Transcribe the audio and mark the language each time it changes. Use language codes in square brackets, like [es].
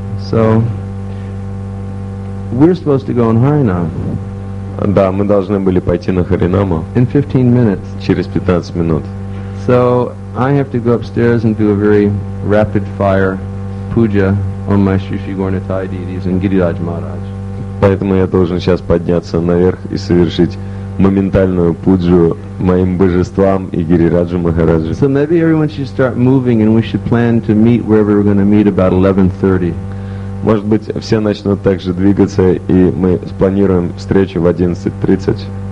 [en] So, we're supposed to go on Harinam. [ru] Да, мы должны были пойти на Харинаму. [en] In 15 minutes. [ru] Через 15 минут. [en] So I have to go upstairs and do a very rapid fire puja on my Shri Shri Gornatai deities and Giriraj Maharaj. [ru] Поэтому я должен сейчас подняться наверх и совершить моментальную пуджу моим божествам и Гирираджу Махараджу. [en] So maybe everyone should start moving and we should plan to meet wherever we're going to meet about 11:30. [ru] Может быть, все начнут также двигаться, и мы спланируем встречу в 11:30.